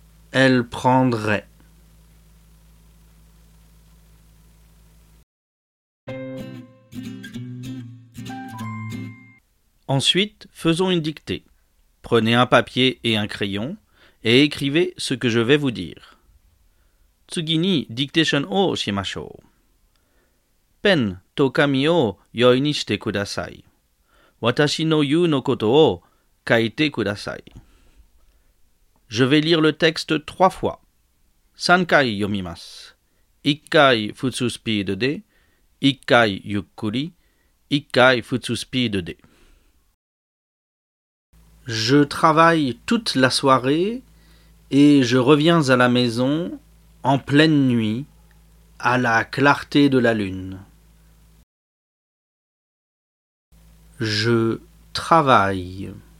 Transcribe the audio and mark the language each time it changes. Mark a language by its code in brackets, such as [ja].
[fr] Elle prendrait. Ensuite, faisons une dictée. Prenez un papier et un crayon et écrivez ce que je vais vous dire. [ja] 次にディクテーションをしましょう。ペンと紙を用意にしてください。私の言うのことを書いてください。 [fr] Je vais lire le texte trois fois. [ja] 三回読みます。一回普通スピードで、一回ゆっくり、一回普通スピードで。 [fr] Je travaille toute la soirée et je reviens à la maison en pleine nuit à la clarté de la lune. Je travaille.